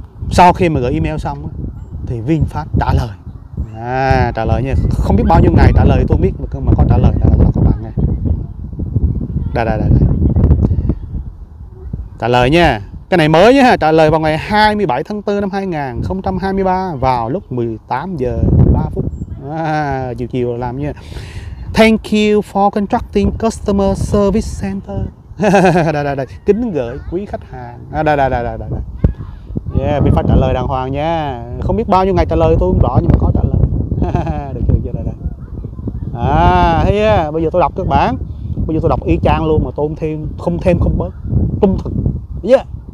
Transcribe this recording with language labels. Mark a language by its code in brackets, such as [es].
[vi] Sau khi mà gửi email xong thì VinFast trả lời. À, trả lời nha, không biết bao nhiêu ngày trả lời tôi không biết, mà có trả lời là các bạn nghe. Đây. Trả lời nha, cái này mới nha, trả lời vào ngày 27 tháng 4 năm 2023 vào lúc 18 giờ 3 phút, chiều làm nha. [en] Thank you for contacting customer service center. [vi] Đây, kính gửi quý khách hàng. Đây. Yeah, mình phải trả lời đàng hoàng nha. Không biết bao nhiêu ngày trả lời tôi không rõ nhưng mà có trả lời. Được chưa, đây. À, thấy yeah, bây giờ tôi đọc các bạn. Bây giờ tôi đọc y chang luôn mà tôi không thêm không bớt. Trung thực. Yeah.